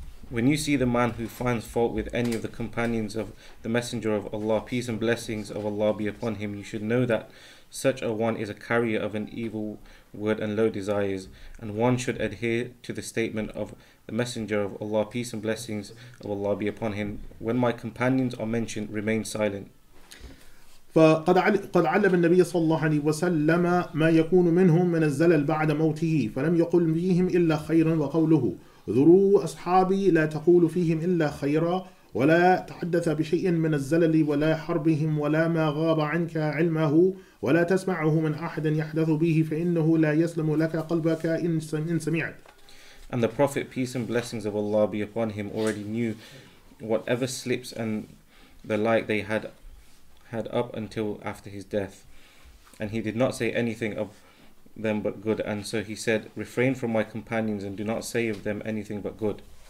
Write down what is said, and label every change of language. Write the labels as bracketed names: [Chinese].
[English] When you see the man who finds fault with any of the companions of the Messenger of Allah, peace and blessings of Allah be upon him, you should know that such a one is a carrier of an evil word and low desires, and one should adhere to the statement of the Messenger of Allah, peace and blessings of Allah be upon him, when my companions are mentioned, remain silent. [Arabic] فقد علم النبي صلى الله عليه وسلم ما يكون منهم من الزلل بعد موته فلم يقل فيهم إلا خيرا وقوله ذروا أصحابي لا تقول فيهم إلا خيرا ولا تحدث بشيء من الزلل ولا حربهم ولا ما غاب عنك علمه ولا تسمعه من أحد يحدث به فإنه لا يسلم لك قلبك إن سمعت. [English] And the Prophet, peace and blessings of Allah be upon him, already knew whatever slips and the like they had up until after his death. And he did not say anything of them but good. And so he said, refrain from my companions and do not say of them anything but good.